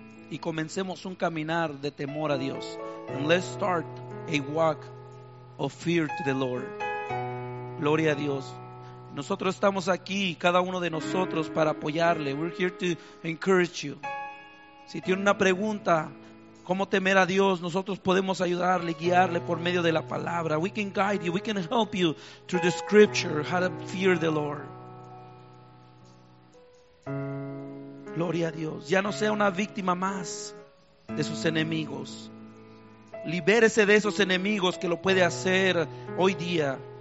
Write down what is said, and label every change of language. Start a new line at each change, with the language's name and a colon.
Spanish: Y comencemos un caminar de temor a Dios.
English: And let's start a walk of fear to the Lord.
Spanish: Gloria a Dios. Nosotros estamos aquí, cada uno de nosotros, para apoyarle.
English: We're here to encourage you.
Spanish: Si tiene una pregunta, ¿cómo temer a Dios? Nosotros podemos ayudarle, guiarle por medio de la palabra.
English: We can guide you, we can help you through the scripture, how to fear the Lord.
Spanish: Gloria a Dios. Ya no sea una víctima más de sus enemigos. Libérese de esos enemigos que lo puede hacer hoy día.